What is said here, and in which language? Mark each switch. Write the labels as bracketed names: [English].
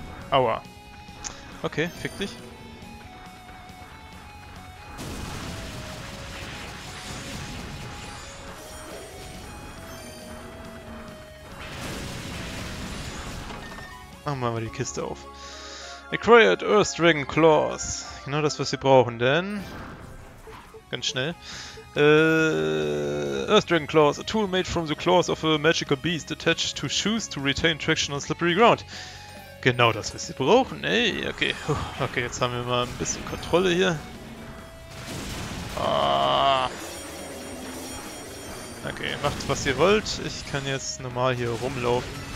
[German] Aua. Okay, fick dich. Machen wir mal die Kiste auf. [English] Acquired Earth Dragon Claws. [German] Genau das, was wir brauchen, denn. Ganz schnell. [English] Earth Dragon Claws, a tool made from the claws of a magical beast attached to shoes to retain traction on slippery ground. [German] Genau das, was wir brauchen, ey. Okay, puh, okay, jetzt haben wir mal ein bisschen Kontrolle hier. Ah. Okay, macht was ihr wollt. Ich kann jetzt normal hier rumlaufen.